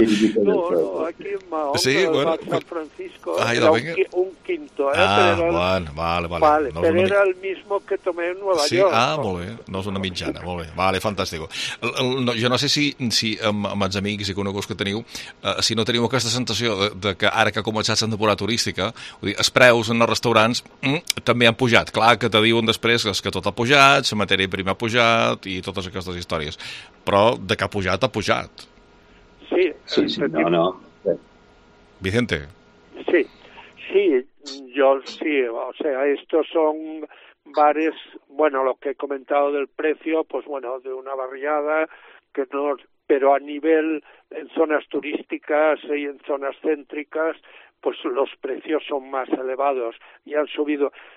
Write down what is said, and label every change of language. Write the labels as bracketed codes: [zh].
[es] Aquí en San Francisco era un quinto. Vale. Era el mismo que tomé en Nueva York. [ca] Ah, molt bé, no és una mitjana, molt bé. Vale, fantàstic. Jo no sé si amb els amics i coneguts que teniu, si no teniu aquesta sensació de que ara que ha començat la temporada turística, els preus en els restaurants també han pujat. Clar que te diuen després que tot ha pujat, la matèria prima ha pujat i totes aquestes històries, però de que ha pujat, ha pujat. Sí, no. Vicente. [es] Sí, o sea, estos son bares, bueno, lo que he comentado del precio, pues bueno, de una barriada, que no, pero a nivel, en zonas turísticas y en zonas céntricas, pues los precios son más elevados y han subido.